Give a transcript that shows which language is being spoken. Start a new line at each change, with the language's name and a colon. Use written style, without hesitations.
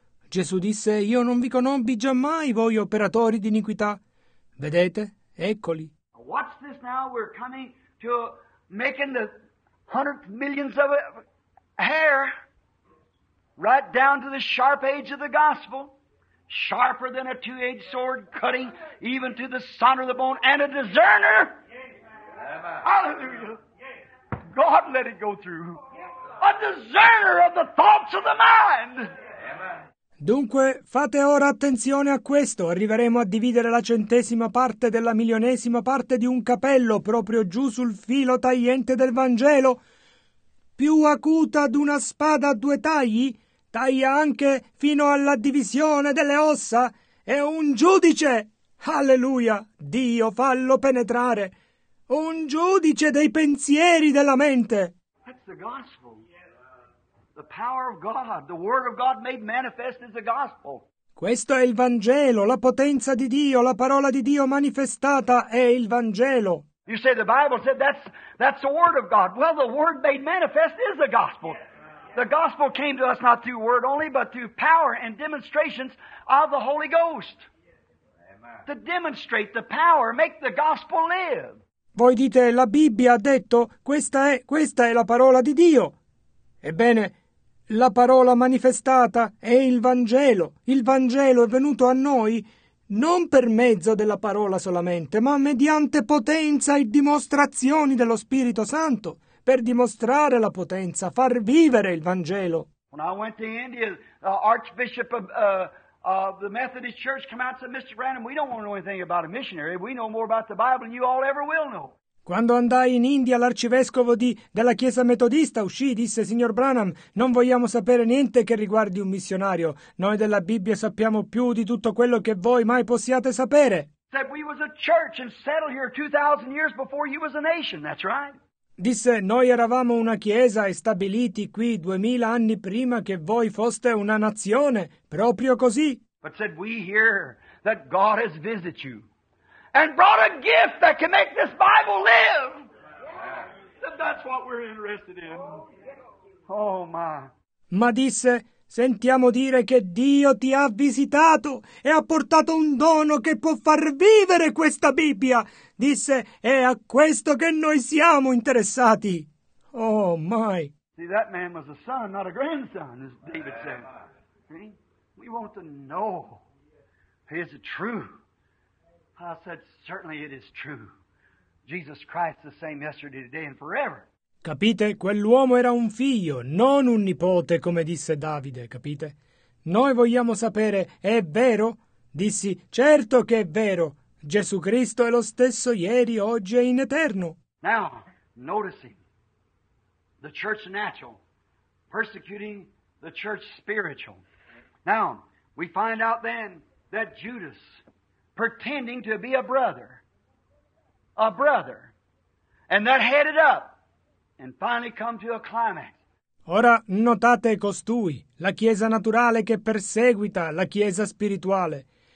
Italian: Gesù disse, io non vi conobbi giammai voi operatori di iniquità. Vedete? Eccoli.
English: Watch this now, we're coming to making the hundred millions of hair right down to the sharp edge of the gospel. Sharper than a two-edged sword, cutting even to the center of the bone and a discerner. Hallelujah. God let it go through. A discerner of the thoughts of the mind.
Italian: Dunque, fate ora attenzione a questo. Arriveremo a dividere la centesima parte della milionesima parte di un capello proprio giù sul filo tagliente del Vangelo. Più acuta di una spada a due tagli, taglia anche fino alla divisione delle ossa. È un giudice. Alleluia. Dio, fallo penetrare. Un giudice dei pensieri della mente.
English: That's the gospel. The power of God, the word of God made manifest is the gospel.
Italian: Questo è il Vangelo, la potenza di Dio, la parola di Dio manifestata è il Vangelo.
English: You say the Bible said that's the word of God. Well, the word made manifest is the gospel. The gospel came to us not through word only, but through power and demonstrations of the Holy Ghost. To demonstrate the power, make the gospel live.
Italian: Voi dite, la Bibbia ha detto, questa è la parola di Dio. Ebbene, la parola manifestata è il Vangelo. Il Vangelo è venuto a noi non per mezzo della parola solamente, ma mediante potenza e dimostrazioni dello Spirito Santo, per dimostrare la potenza, far vivere il Vangelo.
English: When I went to India, the Archbishop of the Methodist Church came out and said, Mr. Branham, we don't want to know anything about a missionary. We know more about the Bible than you all ever will know.
Italian: Quando andai in India, l'arcivescovo della chiesa metodista uscì e disse, signor Branham, non vogliamo sapere niente che riguardi un missionario. Noi della Bibbia sappiamo più di tutto quello che voi mai possiate sapere.
English: Said we was a church and settled here 2,000 years before you was a nation. That's right.
Italian: Disse, noi eravamo una chiesa e stabiliti qui 2,000 anni prima che voi foste una nazione, proprio così.
English: But said we hear that God has visited you and brought a gift that can make this Bible live. That's what we're interested in. Oh my.
Italian: Ma disse, sentiamo dire che Dio ti ha visitato e ha portato un dono che può far vivere questa Bibbia. Disse, è a questo che noi siamo interessati.
English: Oh my. See, that man was a son, not a grandson, as David said. See? We want to know. Is it true? I said, certainly it is true. Jesus Christ the same yesterday, today and forever.
Italian: Capite? Quell'uomo era un figlio, non un nipote, come disse Davide, capite? Noi vogliamo sapere, è vero? Dissi, certo che è vero. Gesù Cristo è lo stesso ieri, oggi e in eterno.
English: Now, noticing. The church natural, persecuting the church spiritual. Now, we find out then that Judas, pretending to be a brother, and that headed up, and finally come to a climax.
Italian: Ora notate costui, la chiesa naturale che perseguita la chiesa spirituale.